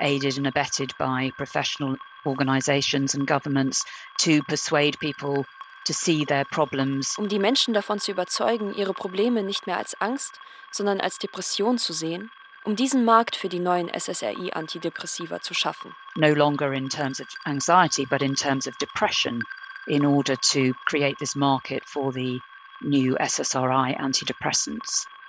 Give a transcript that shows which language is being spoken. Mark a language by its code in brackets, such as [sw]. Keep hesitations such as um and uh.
[en] Aided and abetted by professional organizations and governments to persuade people To see their problems. [de] Um die Menschen davon zu überzeugen, ihre Probleme nicht mehr als Angst, sondern als Depression zu sehen, um diesen Markt für die neuen SSRI Antidepressiva zu schaffen. [en] No longer in terms of anxiety, but in terms of depression in order to create this market for the new SSRI antidepressants.